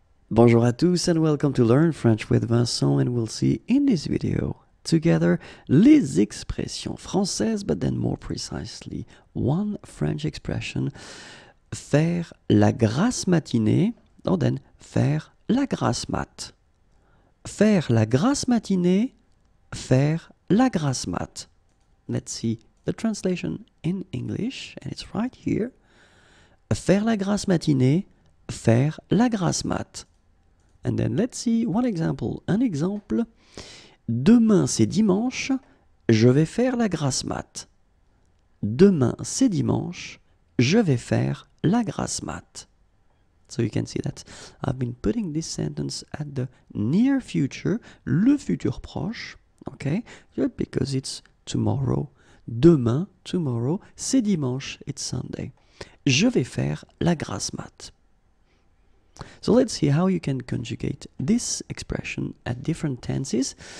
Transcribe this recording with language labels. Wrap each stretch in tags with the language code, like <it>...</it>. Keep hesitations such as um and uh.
<fr>Bonjour à tous</fr> <en>and welcome to Learn French with Vincent and we'll see in this video together</en> <fr>les expressions françaises,</fr> <en>but then more precisely, one French expression, faire la grasse matinée, and oh, then faire la grasse mat.</en> <fr>Faire la grasse matinée, faire la grasse mat.</fr> <en>Let's see the translation in English, and it's right here.</en> <fr>Faire la grasse matinée, faire la grasse mat.</fr> <en>And then let's see one example.</en> <fr>Un exemple. Demain c'est dimanche, je vais faire la grasse mat. Demain c'est dimanche, je vais faire la grasse mat.</fr> <en>So you can see that I've been putting this sentence at the near future,</en> <fr>le futur proche,</fr> <en>okay? because it's tomorrow. Demain, tomorrow,</en> <fr>c'est dimanche,</fr> <en>it's Sunday.</en> <fr>Je vais faire la grasse mat.</fr> <en>So let's see how you can conjugate this expression at different tenses.</en>